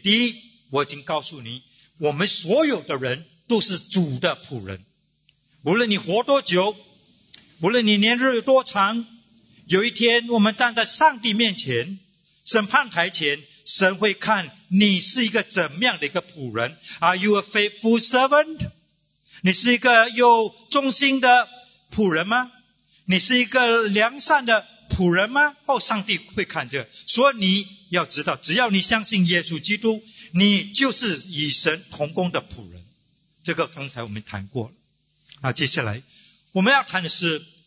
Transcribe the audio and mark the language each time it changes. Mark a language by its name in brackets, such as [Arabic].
[Chinese] 第一，我已经告诉你，我们所有的人都是主的仆人，无论你活多久，无论你年日有多长，有一天我们站在上帝面前审判台前，神会看你是一个怎么样的一个仆人。 [English] Are you a faithful servant? [Chinese] 你是一个有忠心的仆人吗？你是一个良善的仆人吗？哦，上帝会看这个。所以你要知道，只要你相信耶稣基督，你就是与神同工的仆人。这个刚才我们谈过了。那接下来我们要谈的是，